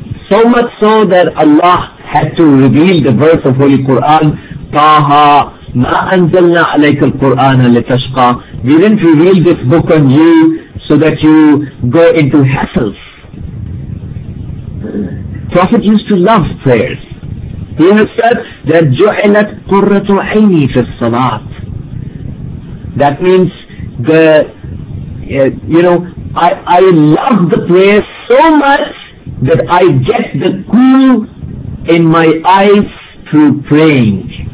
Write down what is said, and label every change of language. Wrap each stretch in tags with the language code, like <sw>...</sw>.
<en>So much so that Allah had to reveal the verse of Holy Quran, Taha,</en> <ar>ma anzalna alayka al-Qur'ana litashqa.</ar> <en>We didn't reveal this book on you so that you go into hassles. Prophet used to love prayers. He has said that</en> <ar>جُعِلَتْ قُرَّةُ عَيْنِي فِي الصَّلَاةِ.</ar> <en>That means the, you know, I love the prayers so much that I get the cool in my eyes through praying.</en>